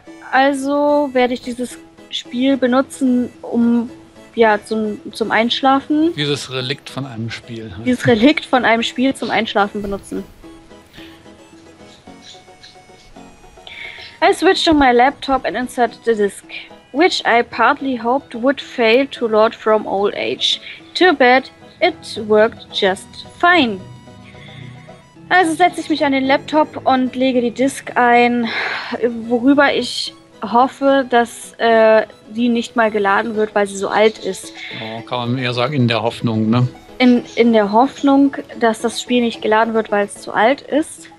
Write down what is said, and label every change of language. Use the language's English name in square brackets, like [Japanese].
[German] Also werde ich dieses Spiel benutzen, um zum Einschlafen. Dieses Relikt von einem Spiel. Dieses Relikt von einem Spiel zum Einschlafen benutzen. [English] I switched on my laptop and inserted the disk, which I partly hoped would fail to load from old age. Too bad, it worked just fine. [German] Also setze ich mich an den Laptop und lege die Disk ein, worüber ich hoffe, dass sie nicht mal geladen wird, weil sie so alt ist. Oh, kann man eher sagen, in der Hoffnung, ne? In der Hoffnung, dass das Spiel nicht geladen wird, weil es zu alt ist.